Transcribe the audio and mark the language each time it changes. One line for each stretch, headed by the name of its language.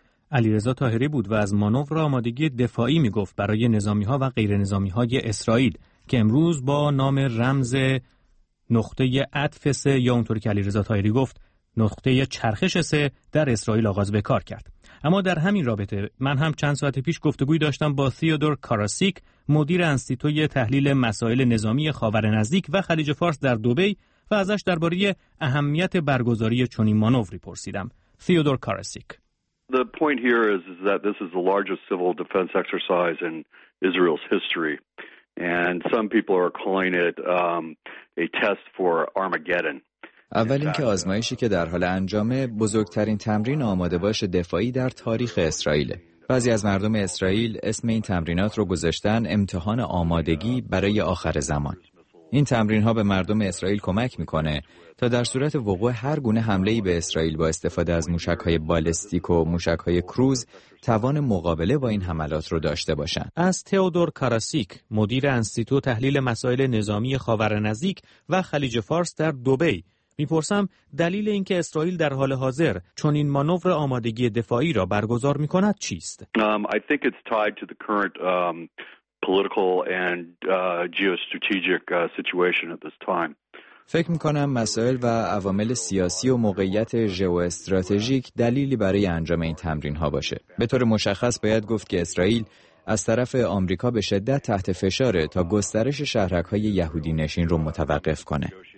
Persian: علیرضا طاهری بود و از مانور آمادگی دفاعی می‌گفت برای نظامی‌ها و غیر نظامی‌های اسرائیل که امروز با نام رمز نقطه عطف 3 یا اونطور که علیرضا طاهری گفت نقطه چرخش 3 در اسرائیل آغاز به کار کرد. اما در همین رابطه من هم چند ساعت پیش گفتگوی داشتم با تیودور کاراسیک، مدیر انستیتوی تحلیل مسائل نظامی خاور نزدیک و خلیج فارس در دبی، و ازش درباره اهمیت برگزاری چنین مانوری پرسیدم. تیودور کاراسیک:
English: The point here is that this is the largest civil defense exercise in Israel's history. And some people are calling it a test for Armageddon.
Persian: اولین که آزمایشی که در حال انجامه بزرگترین تمرین آماده باش دفاعی در تاریخ اسرائیل. بعضی از مردم اسرائیل اسم این تمرینات رو گذاشتن امتحان آمادگی برای آخر زمان. این تمرین ها به مردم اسرائیل کمک میکنه تا در صورت وقوع هر گونه حمله ای به اسرائیل با استفاده از موشک های بالستیک و موشک های کروز توان مقابله با این حملات رو داشته باشن. از تئودور کاراسیک، مدیر انستیتو تحلیل مسائل نظامی خاورنزدیک و خلیج فارس در دبی، میپرسم دلیل اینکه اسرائیل در حال حاضر چون این مانور آمادگی دفاعی را برگزار میکند چیست؟
English: I think it's tied to the current political and geostrategic situation at this time.
Persian: فکر میکنم مسائل و عوامل سیاسی و موقعیت ژئواستراتژیک دلیلی برای انجام این تمرین ها باشه. به طور مشخص باید گفت که اسرائیل از طرف آمریکا به شدت تحت فشاره تا گسترش شهرک های یهودی نشین رو متوقف کنه.